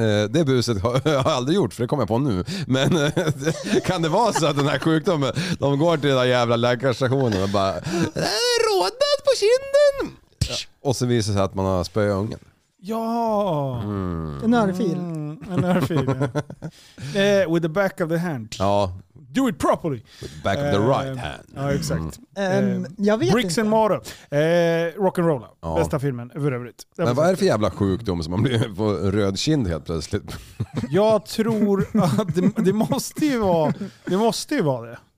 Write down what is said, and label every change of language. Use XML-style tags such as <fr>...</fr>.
<sv>Det buset har jag aldrig gjort, för det kommer jag på nu. Men kan det vara så att den här sjukdomen, de går till den där jävla läkarstationen och bara, rådnad på kinden, ja. Och så visar det sig att man har spö i ungen. Ja. En örfil. En örfil, ja.</sv> <en>With the back of the hand.</en> <sv>Ja.</sv> <en>Do it properly. With the back of the right hand.</en> <sv>Ja, exakt. Jag vet</sv> <en>Bricks</en> <sv>inte.</sv> <en>And Mortar. Rock'n'Roll. Ja.</en> <sv>Bästa filmen överhuvudet. Men vad är det för jävla sjukdom som man blir på röd kind helt plötsligt? Jag tror att det måste ju vara det.</sv>